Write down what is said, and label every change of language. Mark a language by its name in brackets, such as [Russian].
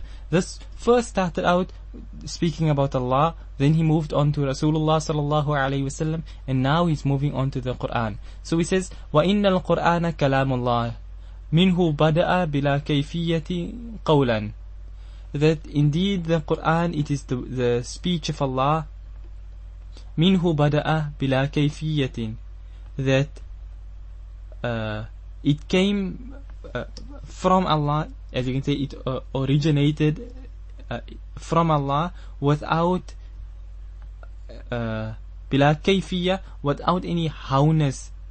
[English] This first started out speaking about Allah, then he moved on to Rasulullah sallallahu alayhi wasallam, and now he's moving on to the Quran. So he says, [Arabic] وَإِنَّ الْقُرْآنَ كَلَامُ اللَّهِ مِنْهُ بَدَأَ بِلَا كَيْفِيَّةِ قَوْلًا. [English] That indeed the Quran, it is the speech of Allah. [Arabic] مِنْهُ بَدَأَ بِلَا كَيْفِيَّةِ. [English] That it came from Allah, as you can say, it originated from Allah without bila kayfiyya, without any howness.